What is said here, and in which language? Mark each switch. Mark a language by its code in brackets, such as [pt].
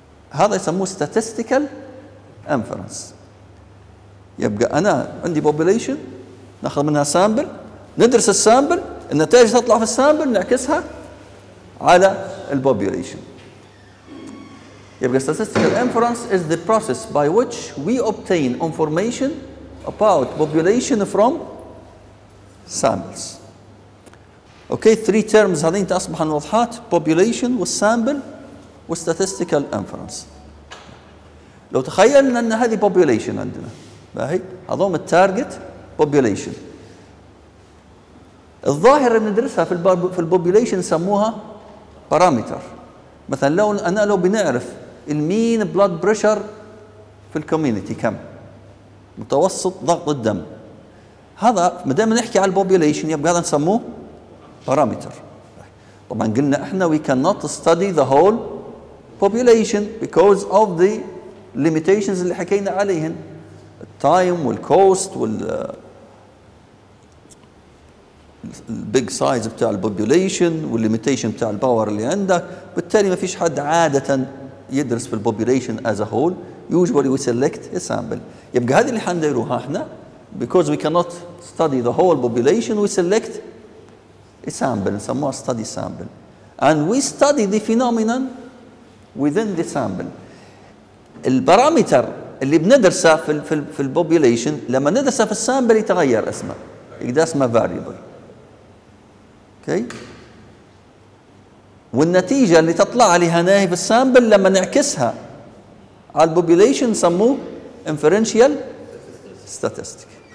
[ar] هذا يسموه statistical inference. يبقى أنا عندي population نأخذ منها sample، ندرس sample، النتائج تطلع في sample نعكسها على population. [en] يبقى statistical inference is the process by which we obtain information about population from samples. Okay, three terms [ar] هذين تصبحن واضحات: population والsample والstatistical inference. لو تخيلنا ان هذه population عندنا، باهي هذوم التارجت population، الظاهره اللي ندرسها في البوبوليشن نسموها بارامتر. مثلا لو بنعرف المين بلاد بريشر في الكوميونتي كم، متوسط ضغط الدم، هذا ما دام نحكي على البوبوليشن يبقى هذا نسموه بارامتر. طبعا قلنا احنا [en] we cannot study the whole population because of the limitations [ar] اللي حكينا عليهن، التايم والكوست والبيج سايز بتاع البوبوليشن والليميتيشن بتاع الباور اللي عندك. بالتالي ما فيش حد عادة يدرس في البوبوليشن [en] as a whole، usually we select a sample. [ar] يبقى هذه اللي حنديروها احنا، [en] because we cannot study the whole population we select a sample، نسموها study sample، and we study the phenomenon within the sample. [ar] البارامتر اللي بندرسه في الـ في الـ في البوبوليشن لما ندرسه في السامبل يتغير اسمه يقدر اسمه فاريبل. اوكي والنتيجة اللي تطلع لي هنا في السامبل لما نعكسها على البوبوليشن نسموه انفرنشيال ستاتستيك.